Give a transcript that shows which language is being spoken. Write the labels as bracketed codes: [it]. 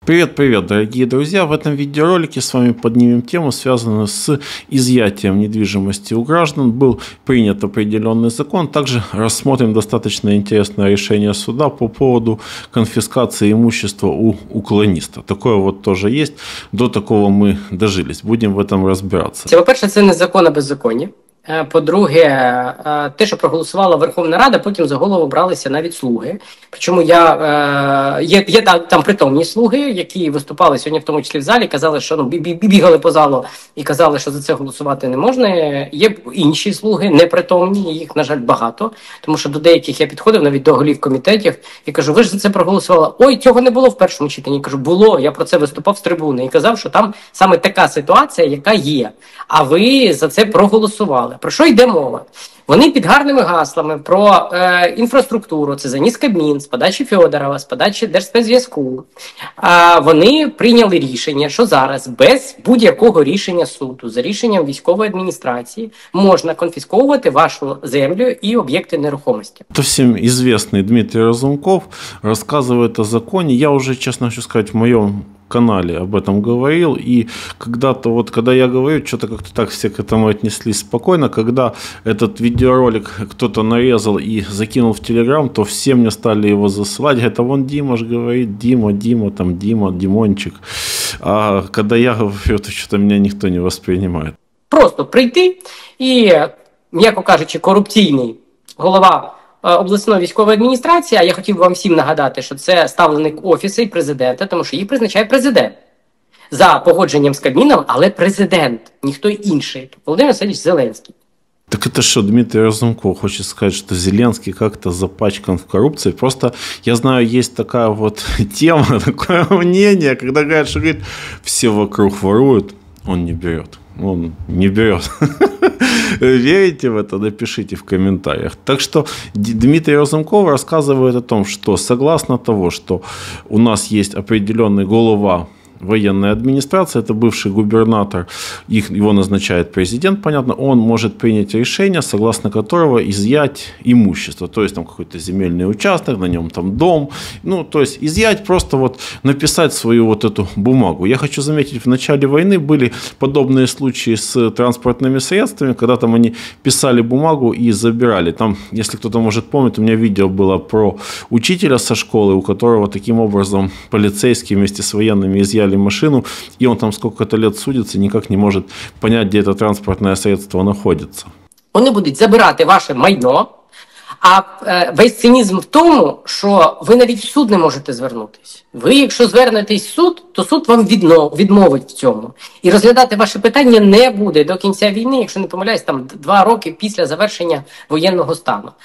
[ru] Привет-привет, дорогие друзья! В этом видеоролике с вами поднимем тему, связанную с изъятием недвижимости у граждан. Был принят определенный закон. Также рассмотрим достаточно интересное решение суда по поводу конфискации имущества у уклониста. Такое вот тоже есть. До такого мы дожились. Будем в этом разбираться. Во-первых, это не закон о беззаконе. [uk] По-друге, те, що проголосувала Верховна Рада, потім за голову бралися навіть слуги. Причому я є там притомні слуги, які виступали сьогодні, в тому числі в залі, казали, що бігали по залу і казали, що за це голосувати не можна. Є інші слуги, непритомні, їх, на жаль, багато. Тому що до деяких я підходив, навіть до голів комітетів, і кажу, ви ж за це проголосували. Ой, цього не було в першому читанні. Кажу, було, я про це виступав з трибуни і казав, що там саме така ситуація, яка є. А ви за це проголосували. Про що йде мова? Вони під гарними гаслами про інфраструктуру, це заніс Кабмін, з подачі Фьодорова, з подачі Держспецзв'язку. Вони прийняли рішення, що зараз без будь-якого рішення суду, за рішенням військової адміністрації, можна конфісковувати вашу землю і об'єкти нерухомості. То всім відомий Дмитрий Разумков розказує про закон. Я вже, чесно хочу сказати, в моєму [ru] канале об этом говорил, и когда-то, вот когда я говорю, что-то как-то так все к этому отнеслись спокойно, когда этот видеоролик кто-то нарезал и закинул в Телеграм, то все мне стали его засылать, это вон Дима же говорит, Димончик, а когда я говорю, то что-то меня никто не воспринимает. [uk] Просто прийти и, м'яко кажучи, корупційний голова обласної військової адміністрації, а я хотів вам всім нагадати, що це ставленик Офісу і президента, тому що їх призначає президент. За погодженням з Кабміном, але президент, ніхто інший. Володимир Васильович Зеленський. Так це що, Дмитрий Разумков хоче сказати, що Зеленський як-то запачкан в корупції? Просто, я знаю, є така от тема, таке мнение, коли кажуть, що всі вокруг ворують, він не бере. [ru] Он не берет. Верите в это? Напишите в комментариях. Так что Дмитрий Разумков рассказывает о том, что согласно того, что у нас есть определенный голова военной администрации, это бывший губернатор, его назначает президент, понятно, он может принять решение, согласно которого изъять имущество, то есть там какой-то земельный участок, на нем там дом, ну, то есть изъять, просто вот написать свою вот эту бумагу. Я хочу заметить, в начале войны были подобные случаи с транспортными средствами, когда там они писали бумагу и забирали. Там, если кто-то может помнить, у меня видео было про учителя со школы, у которого таким образом полицейские вместе с военными изъяли машину, и он там сколько-то лет судится, никак не может понять, где это транспортное средство находится. [uk] Вони будуть забирати ваше майно, а весь цинізм в тому, що ви навіть в суд не можете звернутись. Ви, якщо звернетесь в суд, то суд вам відмовить в цьому. І розглядати ваше питання не буде до кінця війни, якщо не помиляюсь, там 2 роки після завершення воєнного стану.